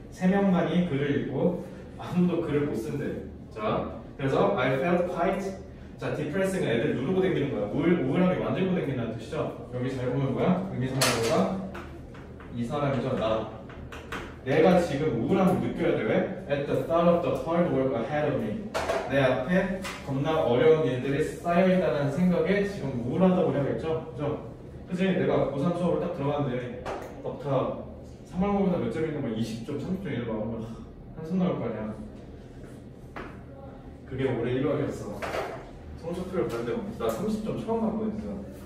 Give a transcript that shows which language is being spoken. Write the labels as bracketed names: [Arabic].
[Korean] 3명만이 글을 읽고 아무도 글을 못 쓴대. 자, 그래서 [English] I felt quite [Korean] 자, depressing은 애들 누르고 댕기는 거야. 우울하게 만들고 댕긴다는 뜻이죠. 여기 잘 보면 뭐야? 의미상으로가 이 사람이죠, 나. 내가 지금 우울함을 느껴야 돼. 왜? [English] At the start of the hard work ahead of me. [Korean] 내 앞에 겁나 어려운 일들이 쌓여있다는 생각에 지금 우울하다고 해야겠죠? 그죠? 그치? 내가 고3 수업을 딱 들어갔는데 막다 3학년보다 몇 점 있는 거야? 20점, 30점 이러면 한숨 나올 거 아니야. 그게 올해 1학이었어. 성적표를 봤는데 나 30점 처음 봤거든요.